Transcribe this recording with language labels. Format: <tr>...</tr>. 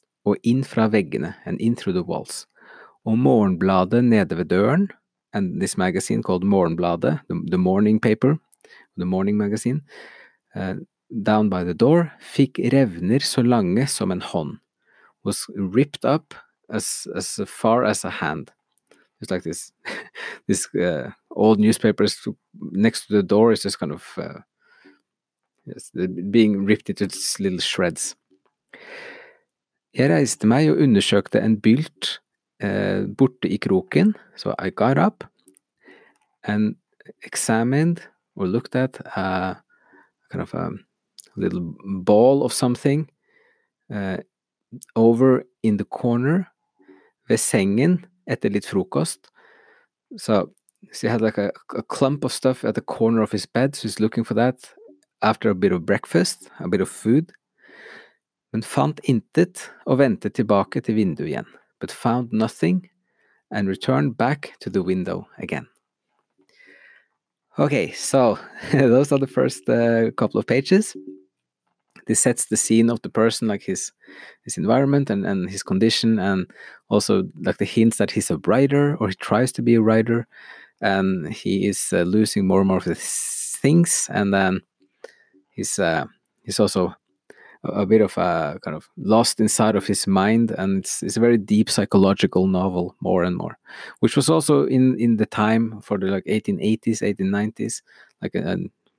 <no>og inn fra veggene,</no> <en>and in through the walls.</en> <no>Og morgenbladet nede ved døren,</no> <en>and this magazine called Morgenbladet, the morning paper, the morning magazine, down by the door,</en> <no>fikk revner så lange som en hånd.</no> <en>Was ripped up as far as a hand. Just like this, this old newspapers next to the door is just kind of being ripped into its little shreds.</en> <no>Jeg reiste meg og undersøkte en bylt borte I kroken.</no> <en>So I got up and examined or looked at a kind of a little ball of something over in the corner</en> <no>ved sengen etter litt frokost.</no> <en>So he had like a clump of stuff at the corner of his bed, so he's looking for that after a bit of breakfast, a bit of food.</en> <no>Men fant intet og vendte tilbake til vinduet igjen.</no> <en>But found nothing and returned back to the window again. Okay, so those are the first couple of pages. This sets the scene of the person, like his environment and his condition, and also like the hints that he's a writer or he tries to be a writer, and he is losing more and more of his things, and then he's also a bit of a kind of lost inside of his mind, and it's a very deep psychological novel more and more, which was also in the time for the like 1880s, 1890s, like an</en>